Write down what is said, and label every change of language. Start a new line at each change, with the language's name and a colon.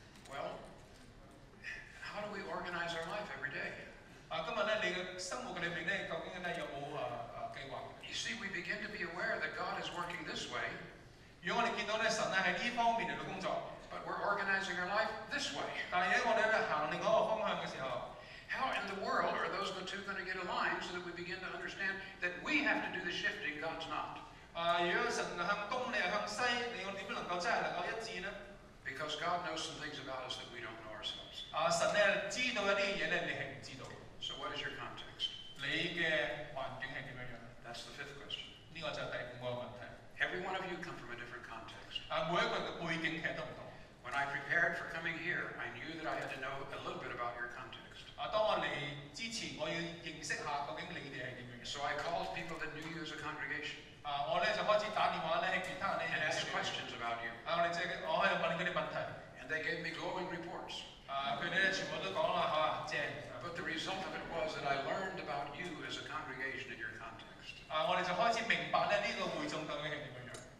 English: Well, how do we organize our life every day?
Cantonese: 今日咧你嘅生活裏邊咧究竟咧有冇計劃？
English: You see, we begin to be aware that God is working this way.
Cantonese: 如果我哋見到咧神咧喺呢方面嚟到工作。
English: But we're organizing our life this way.
Cantonese: 但係如果我哋喺另一個方向嘅時候，
English: How in the world are those the two going to get aligned so that we begin to understand that we have to do the shifting, God's not?
Cantonese: 如果神向東，你又向西，你又點樣能夠真係能夠一致呢？
English: Because God knows some things about us that we don't know ourselves.
Cantonese: 神咧知道一啲嘢咧，你係唔知道。
English: So what is your context?
Cantonese: 你嘅環境係點樣樣？
English: That's the fifth question.
Cantonese: 呢個就係第五個問題。
English: Every one of you come from a different context.
Cantonese: 每一個人嘅背景係都唔同。
English: When I prepared for coming here, I knew that I had to know a little bit about your context.
Cantonese: 當我嚟之前，我要認識下究竟你哋係點樣。
English: So I called people that knew you as a congregation.
Cantonese: 我咧就開始打電話咧，其他咧。
English: And asked questions about you.
Cantonese: 我係問佢啲問題。
English: And they gave me glowing reports.
Cantonese: 佢哋咧全部都講啦嚇，正。
English: But the result of it was that I learned about you as a congregation in your context.
Cantonese: 我哋就開始明白咧呢個會眾究竟係點樣。